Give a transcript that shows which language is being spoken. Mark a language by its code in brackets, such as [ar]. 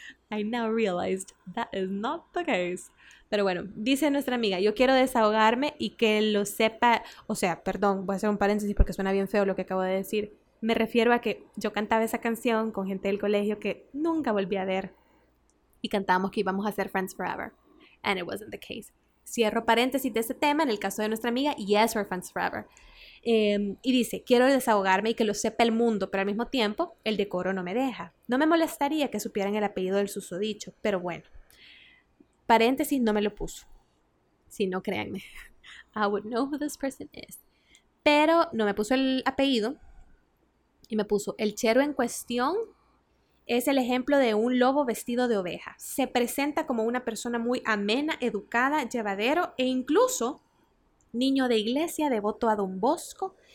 [en] I now realized that is not the case. [es] Pero bueno, dice nuestra amiga, yo quiero desahogarme y que lo sepa. O sea, perdón, voy a hacer un paréntesis porque suena bien feo lo que acabo de decir. Me refiero a que yo cantaba esa canción con gente del colegio que nunca volví a ver. Y cantábamos que íbamos a ser [en] friends forever. And it wasn't the case. [es] Cierro paréntesis de ese tema. En el caso de nuestra amiga, [en] yes, we're friends forever. [es] Y dice, quiero desahogarme y que lo sepa el mundo, pero al mismo tiempo, el decoro no me deja. No me molestaría que supieran el apellido del susodicho, pero bueno. Paréntesis, no me lo puso. Si no, créanme. [en] I would know who this person is. [es] Pero no me puso el apellido. Y me puso, el chero en cuestión es el ejemplo de un lobo vestido de oveja. Se presenta como una persona muy amena, educada, llevadero e incluso niño de iglesia, devoto a Don Bosco.